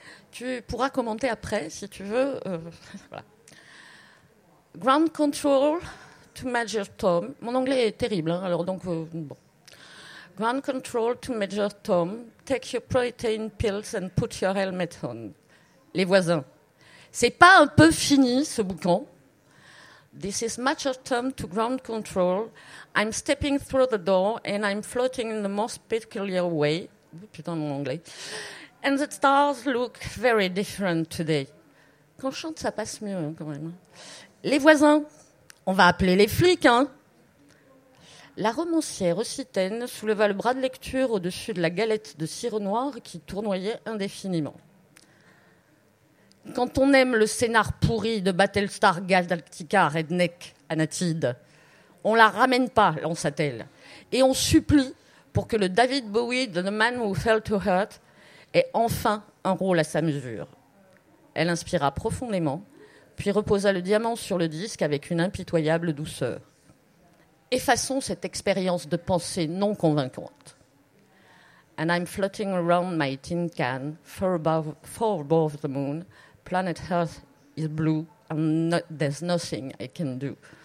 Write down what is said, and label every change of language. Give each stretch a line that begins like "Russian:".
French: Tu pourras commenter après, si tu veux. Voilà. «
English: Ground control to Major Tom ».
French: Mon anglais est terrible, hein, alors donc, bon.
English: « Ground control to Major Tom, take your protein pills and put your helmet on. »
French: Les voisins. C'est pas un peu fini, ce bouquin.
English: « This is Major Tom to ground control. » I'm stepping through the door and I'm floating in the most peculiar way.
French: Putain, mon anglais.
English: And the stars look very different today.
French: Quand je chante, ça passe mieux, quand même. Les voisins, on va appeler les flics, hein. La romancière occitaine souleva le bras de lecture au-dessus de la galette de cire noire qui tournoyait indéfiniment. Quand on aime le scénar pourri de Battlestar Galactica, Redneck, Anatid. On ne la ramène pas, lança-t-elle. Et on supplie pour que le David Bowie de The Man Who Fell to Earth ait enfin un rôle à sa mesure. Elle inspira profondément, puis reposa le diamant sur le disque avec une impitoyable douceur. Effaçons cette expérience de pensée non convaincante.
English: And I'm floating around my tin can, far above the moon. Planet Earth is blue, and there's nothing I can do.